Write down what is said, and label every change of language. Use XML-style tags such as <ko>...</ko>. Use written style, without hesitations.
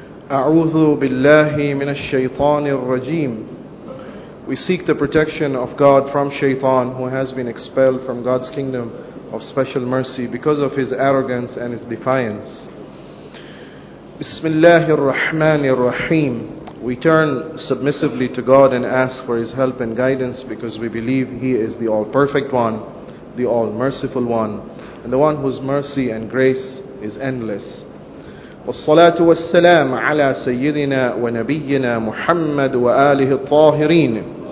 <ar>أعوذ بالله من الشيطان الرجيم.</ar> <en>We seek the protection of God from Shaitan, who has been expelled from God's kingdom of special mercy because of his arrogance and his defiance.</en> <ar>بسم الله الرحمن الرحيم.</ar> <en>We turn submissively to God and ask for his help and guidance because we believe he is the all-perfect one, the all-merciful one, and the one whose mercy and grace is endless.</en> <ar>والصلاة والسلام على سيدنا ونبينا محمد وآله الطاهرين.</ar>